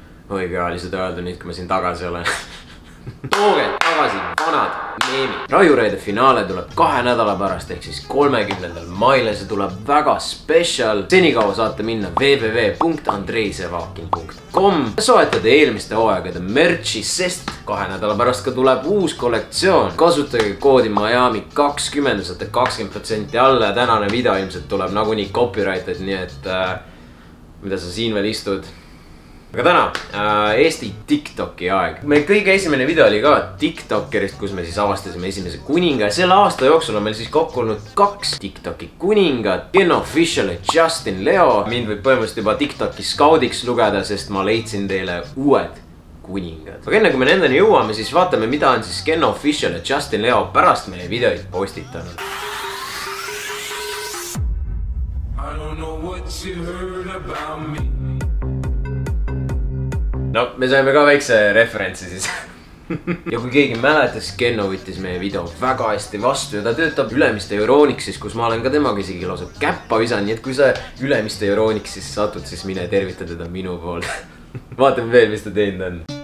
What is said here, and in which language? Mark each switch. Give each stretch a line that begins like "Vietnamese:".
Estonian: Oikea olisit öeldä nyt, kun mä siinä tagasi olen. Tuuge tagasi, vanat meemit! Rajureide finaale tuleb 2 nädala pärast, ehk siis 30. maile. See tuleb väga special. Senikaua saate minna www.andreisevakin.com. Soetada eelmiste hooaegade merchi, sest 2 nädala pärast ka tuleb uus kollektsioon. Kasutage koodi Miami20, saate 20% alla. Ja tänane video ilmselt tuleb nagunii copyrighted, nii et mida sa siin veel istud? Aga täna, Eesti TikToki aeg. Meil kõige esimene video oli ka TikTokerist, kus me siis avastasime esimese kuninga. Ja selle aasta jooksul on meil siis kokku olnud 2 TikToki kuningat. Ken Official ja Justin Leo. Mind võib põhimõtteliselt juba TikToki scoutiks lugeda, sest ma leidsin teile uued kuningad. Aga enne kui me nendeni jõuame, siis vaatame, mida on siis Ken Official ja Justin Leo pärast meie videoid postitanud.
English: I don't know what you heard about me.
Estonian: No, me saime ka väikse referentsi siis. Ja kui keegi mäletas, Kenno võttis meie video väga hästi vastu ja ta töötab Ülemiste Euroniksis, kus ma olen ka temaga isegi lausa käppa visan, nii et kui sa Ülemiste Euroniksis satud, siis mine tervita teda minu pool. Vaatame veel, mis ta teinud on.